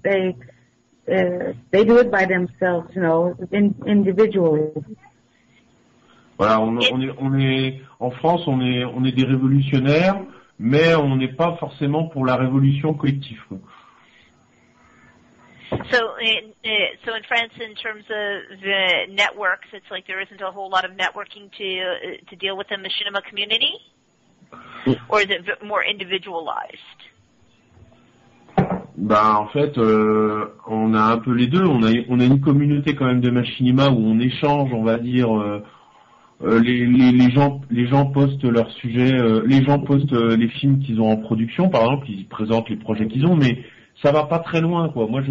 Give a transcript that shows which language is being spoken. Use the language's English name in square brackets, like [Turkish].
[English] They do it by themselves, you know, individually. [French] Voilà, on est en France, on est des révolutionnaires. Mais on n'est pas forcément pour la révolution collective. [English] So in France, in terms of the networks, it's like there isn't a whole lot of networking to deal with the machinima community, or is it more individualized? [French] Bah en fait, on a un peu les deux. On a une communauté quand même de machinima où on échange, on va dire. Les gens postent leurs sujets, les gens postent les films qu'ils ont en production, par exemple, ils présentent les projets qu'ils ont, mais ça va pas très loin, quoi.